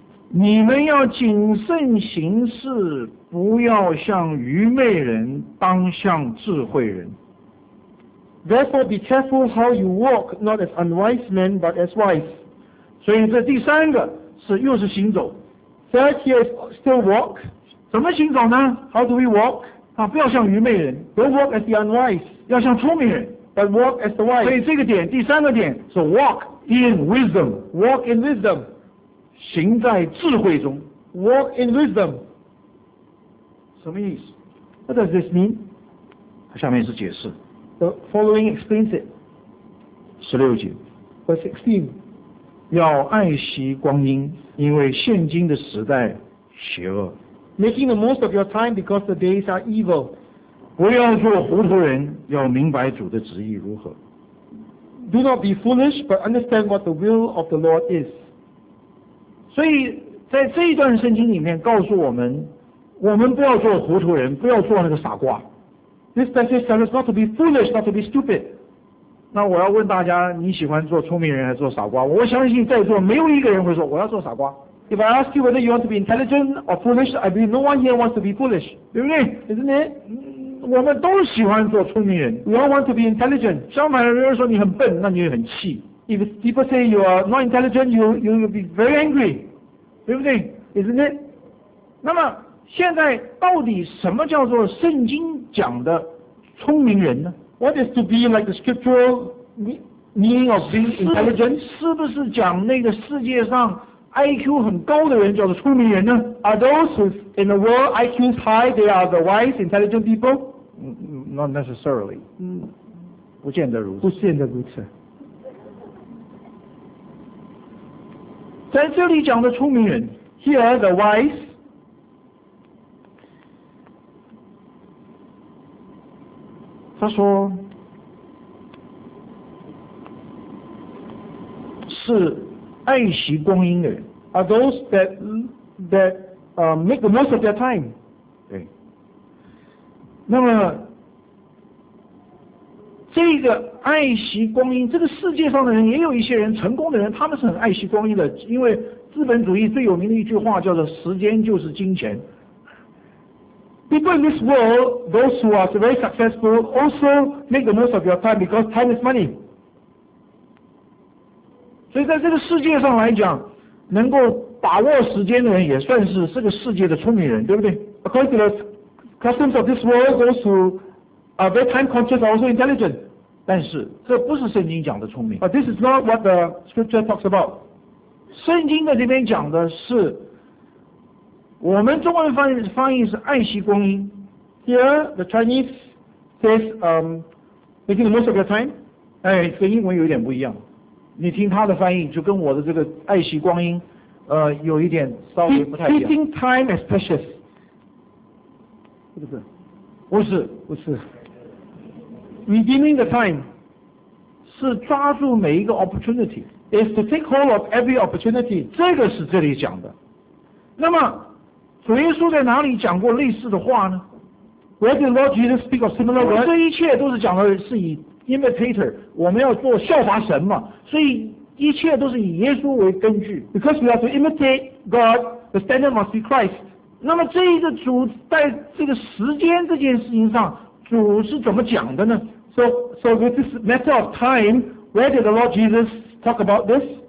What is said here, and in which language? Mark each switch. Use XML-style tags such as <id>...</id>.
<zh>你们要谨慎行事，不要像愚昧人，当像智慧人。</zh> <en>Therefore be careful how you walk, not as unwise men, but as wise.</en> <zh>所以这第三个是又是行走。</zh> <en>Third here is still walk.</en> <zh>怎么行走呢？</zh> <en>How do we walk?</en> <zh>不要像愚昧人。</zh> <en>Don't walk as the unwise.</en> <zh>要像聪明人。</zh> <en>But walk as the wise.</en> <zh>所以这个点，第三个点，是</zh> <en>walk in wisdom. Walk in wisdom.</en> <zh>行在智慧中。</zh> <en>Walk in wisdom.</en> <zh>什么意思？</zh> <en>What does this mean?</en> <zh>它下面是解释。</zh> <en>The following explains it.</en> <zh>十六节。</zh> <en>Verse 16.</en> <zh>要爱惜光阴，因为现今的时代邪恶。</zh> <en>Making the most of your time because the days are evil.</en> <zh>不要做糊涂人，要明白主的旨意如何。</zh> <en>Do not be foolish, but understand what the will of the Lord is.</en> <zh>所以在这一段圣经里面告诉我们，我们不要做糊涂人，不要做那个傻瓜。</zh> <en>This passage tells us not to be foolish, not to be stupid.</en> <zh>那我要问大家，你喜欢做聪明人还是做傻瓜？我相信在座没有一个人会说我要做傻瓜。</zh> <en>If I ask you whether you want to be intelligent or foolish, I believe no one here wants to be foolish.</en> <zh>对不对？</zh> <en>Isn't it?</en> <zh>我们都喜欢做聪明人。</zh> <en>We all want to be intelligent.</en> <zh>相反的，有人说你很笨，那你也很气。</zh> <en>If people say you are not intelligent, you will be very angry,</en> <zh>对不对</zh> <en>？Isn't it?</en> <zh>那么现在到底什么叫做圣经讲的聪明人呢</zh> <en>？What is to be like the scriptural meaning of being intelligent?</en> <zh>是不是讲那个世界上IQ 很高的人叫做聪明人呢</zh> <en>？Are those who in the world IQ is high, they are the wise, intelligent people? Not necessarily.</en> <zh>不见得如此。不见得如此。在这里讲的聪明人</zh> <en>，here the wise，</en> <zh>他说是爱惜光阴的人。</zh> <en>Are those that make the most of their time?</en> <zh>对。那么这个爱惜光阴，这个世界上的人也有一些人成功的人，他们是很爱惜光阴的，因为资本主义最有名的一句话叫做时间就是金钱。</zh> <en>People in this world, those who are very successful, also make the most of your time because time is money.</en> <zh>所以在这个世界上来讲，能够把握时间的人也算是这个世界的聪明人，对不对</zh> <en>？According to the customs of this world, those who are very time conscious are also intelligent.</en> <zh>但是这不是圣经讲的聪明。</zh> <en>But this is not what the scripture talks about.</en> <zh>圣经的这边讲的是，我们中文翻译是爱惜光阴。</zh> <en>Here the Chinese says making the most of your time.</en> <zh>哎，跟英文有点不一样。你听他的翻译，就跟我的这个爱惜光阴，有一点稍微不太一样。</zh> <en>Treating time as precious，</en> <zh>是不是？不是，不是。</zh> <en>Redeeming the time，</en> <zh>是抓住每一个 opportunity，</zh> <en>is to take hold of every opportunity。</en> <zh>这个是这里讲的。那么，主耶稣在哪里讲过类似的话呢</zh> <en>？Where did Lord Jesus speak of similar words？</en> <zh>这一切都是讲的是以。Imitator， 我们要做效法神嘛，所以一切都是以耶稣为根据。</zh> <en>Because we are to imitate God, the standard must be Christ.</en> <zh>那么这一个主在这个时间这件事情上，主是怎么讲的呢</zh> <en>？So with this matter of time, where did the Lord Jesus talk about this?</en>